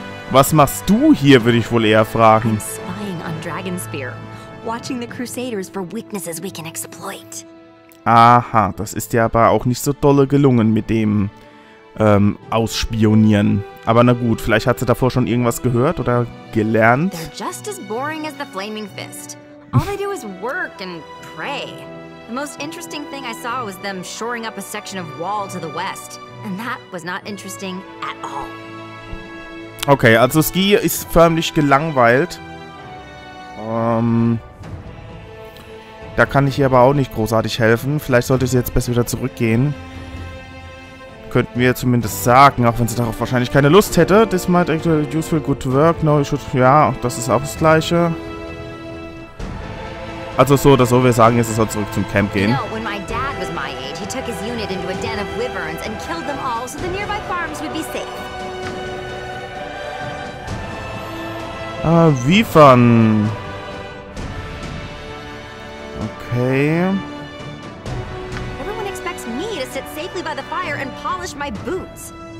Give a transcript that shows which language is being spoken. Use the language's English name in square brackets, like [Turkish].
[German] Was machst du hier, würde ich wohl eher fragen. [English] I'm spying on Dragonspear, watching the Crusaders for weaknesses we can exploit. [German] Aha, das ist dir aber auch nicht so dolle gelungen mit dem Ausspionieren. Aber na gut, vielleicht hat sie davor schon irgendwas gehört oder gelernt. [English] They're just as boring as the Flaming Fist. All they do is work and pray. The most interesting thing I saw was them shoring up a section of wall to the west, and that was not interesting at all. [German] Okay, also Ski ist förmlich gelangweilt. Da kann ich ihr aber auch nicht großartig helfen. Vielleicht sollte sie jetzt besser wieder zurückgehen. Könnten wir zumindest sagen, auch wenn sie darauf wahrscheinlich keine Lust hätte. [English] This might actually useful good work. No, you should... [German] Ja, das ist auch das Gleiche. Also so oder so, wir sagen jetzt, sie soll zurück zum Camp gehen. [English] You know, when my dad was my age, he took his unit into a den of wyverns and killed them all, so the nearby farms would be safe. [German] Wie von. [English] Okay. Everyone expects me to sit safely by the fire and polish my boots.